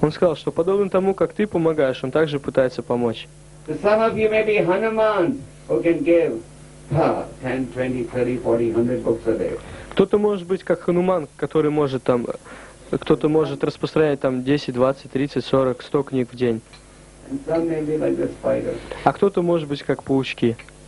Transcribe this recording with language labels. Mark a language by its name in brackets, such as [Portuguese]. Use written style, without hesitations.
[Russian] Он сказал, что подобно тому, как ты помогаешь, он также пытается помочь. [English] Some of you may be Hanuman who can give 10, 20, 30, 40, 100 books a day. [Russian] Кто-то может быть как Хануман, который может там, кто-то может распространять там 10, 20, 30, 40, 100 книг в день. А кто-то может быть как паучки.